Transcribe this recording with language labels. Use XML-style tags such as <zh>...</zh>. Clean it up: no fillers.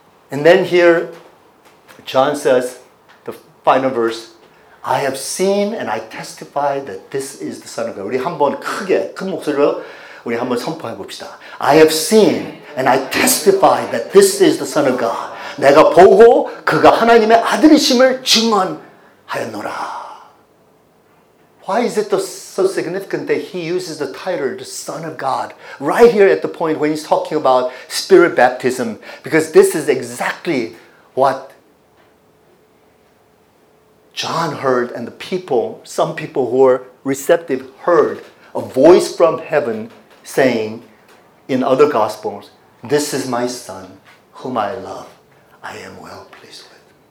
<en>And then here, John says, the final verse, I have seen and I testify that this is the Son of God.</en> <ko>우리 한번 크게, 큰 목소리로 우리 한번 선포해 봅시다.</ko> <en>I have seen and I testify that this is the Son of God.</en> <ko>내가 보고 그가 하나님의 아들이심을 증언하였노라.</ko> <en>Why is it so significant that he uses the title, the Son of God, right here at the point when he's talking about Spirit baptism? Because this is exactly what John heard and the people, some people who were receptive, heard a voice from heaven saying in other Gospels, this is my Son whom I love, I am well pleased with.</en>